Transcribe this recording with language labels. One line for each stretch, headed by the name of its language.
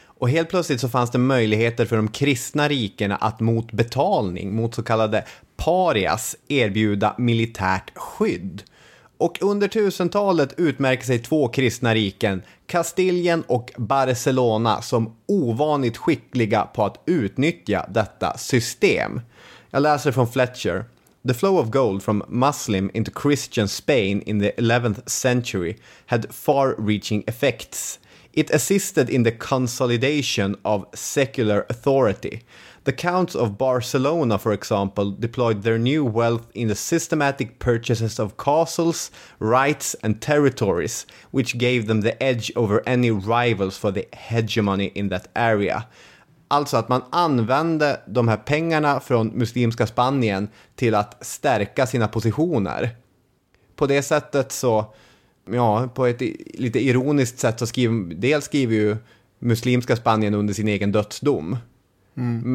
Swedish: Och helt plötsligt så fanns det möjligheter för de kristna rikena att mot betalning, mot så kallade parias, erbjuda militärt skydd. Och under 1000-talet utmärker sig två kristna riken, Kastilien och Barcelona, som ovanligt skickliga på att utnyttja detta system. Jag läser från Fletcher.
English: The flow of gold from Muslim into Christian Spain in the 11th century had far-reaching effects. It assisted in the consolidation of secular authority. The counts of Barcelona, for example, deployed their new wealth in the systematic purchases of castles, rights and territories, which gave them the edge over any rivals for the hegemony in that area.
Swedish: Alltså att man använde de här pengarna från muslimska Spanien till att stärka sina positioner. På det sättet så ja, på ett lite ironiskt sätt så skriver ju muslimska Spanien under sin egen dödsdom. Mm.